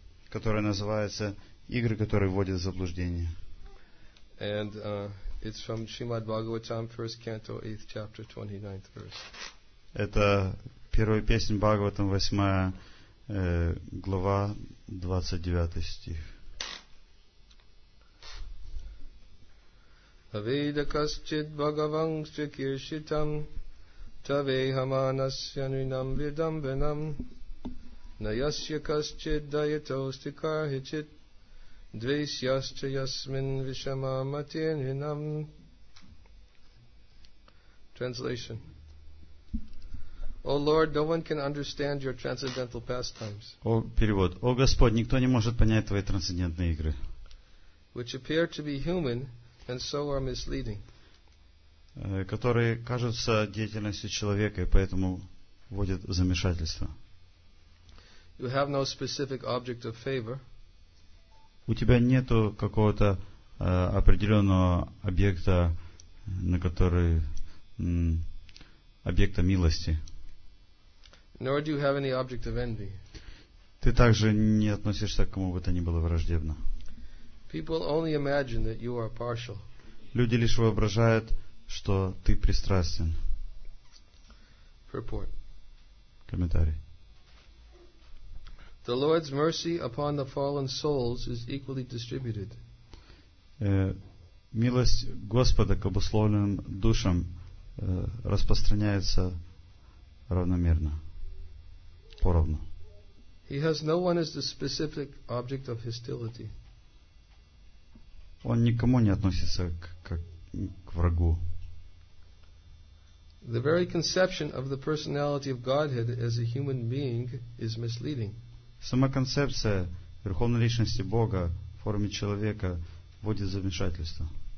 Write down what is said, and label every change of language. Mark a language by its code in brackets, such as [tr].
[ru] которая называется «Игры, которые вводят в заблуждение». [en] And it's from Shrimad Bhagavatam, first canto, 8th chapter, 29th verse. [ru] Это первая песня Бхагаватам, 8 глава, 29 стих. [sa] Aveda kaschid bhagavang shikirshitam taveha manasya nunam vidam vinam nayasya kaschid dayatostikar hichit dvesyascha yasmin vishama matin hinam. [en] Translation. O Lord, no one can understand your transcendental pastimes. [ru] Перевод. О Господь, никто не может понять твои трансцендентные игры. [en] Which appear to be human and so are misleading. [ru] Которые кажутся деятельностью человека и поэтому вводят в замешательство. [en] You have no specific object of favor. [ru] У тебя нету какого-то определенного объекта, на который объекта милости. [en] Nor do you have any object of envy. [ru] Ты также не относишься к кому бы то ни было враждебно. [en] People only imagine that you are partial. [ru] Люди лишь воображают, что ты пристрастен. [en] Purport. [ru] Комментарий. [en] The Lord's mercy upon the fallen souls is equally distributed. [ru] Милость Господа к обусловленным душам распространяется равномерно, поровну. [en] He has no one as the specific object of hostility. [ru] Он никому не относится к врагу. [en] The very conception of the personality of Godhead as a human being is misleading. [ru] Сама концепция Верховной Личности Бога в форме человека вводит в замешательство.